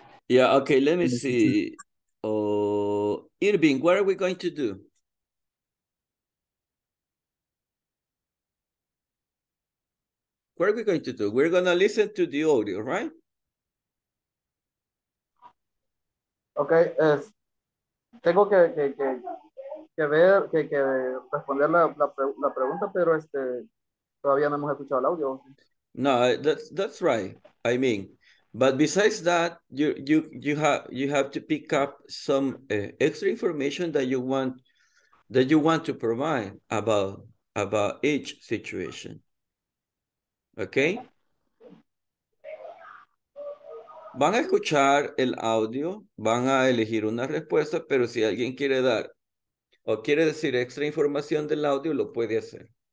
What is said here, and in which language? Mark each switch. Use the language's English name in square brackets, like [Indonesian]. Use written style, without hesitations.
[English] Yeah. Okay. Let me see. Oh, Irving, what are we going to do? We're going to listen to the audio, right? Okay. [Spanish] Tengo que ver, que responder la pregunta, pero todavía no hemos escuchado el audio. [English] No, that's right. I mean, but besides that, you have to pick up some extra information that you want to provide about each situation. Okay? [Spanish] Van a escuchar el audio, van a elegir una respuesta, pero si alguien quiere dar o quiere decir extra información del audio, lo puede hacer.